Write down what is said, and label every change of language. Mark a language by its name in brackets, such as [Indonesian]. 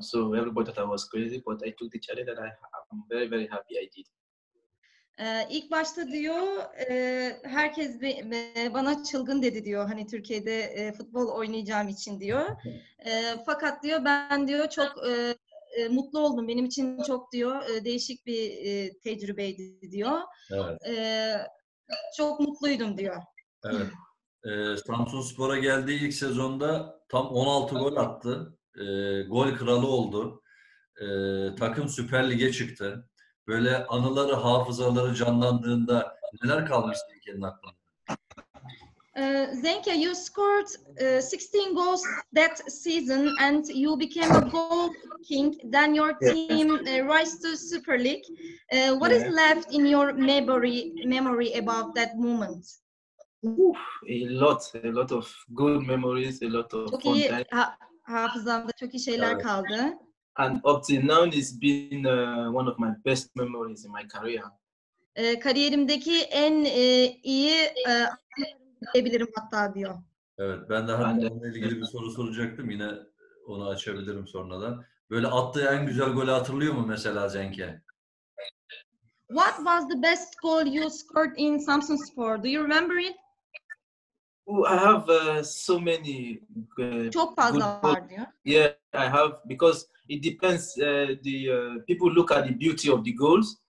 [English] So everybody thought I was crazy, but I took the challenge and I'm very, very happy I did. [Turkish] İlk başta diyor, herkes bana çılgın dedi diyor, hani Türkiye'de futbol oynayacağım için diyor. Fakat diyor, ben diyor çok mutlu oldum, benim için çok diyor değişik bir tecrübeydi diyor. Evet. Çok mutluydum diyor. Evet. Samsun Spor'a geldiği ilk sezonda tam 16 gol attı. Gol kralı oldu. Takım Süper Lig'e çıktı. Böyle anıları, hafızaları canlandığında neler kalmış Zenke'nin aklında? [English] Zenke, you scored 16 goals that season and you became a goal king. Then your team rise to Super League. What is left in your memory about that moment? A lot of good memories, a lot of fun. [Turkish] Çok iyi hafızamda, çok iyi şeyler kaldı. [English] And up till now, it's been one of my best memories in my career. [Turkish] Kariyerimdeki en iyi diyebilirim hatta diyor. Evet, ben de hani onunla ilgili bir soru soracaktım. Yine onu açabilirim sonradan. Böyle attığı en güzel golü hatırlıyor mu mesela Zenke? [English] What was the best goal you scored in Samsun Spor? Do you remember it? I have so many. [Turkish] Çok fazla [English] good goals. [Turkish] Var diyor. [English] Yeah, I have, because it depends. People look at the beauty of the goals.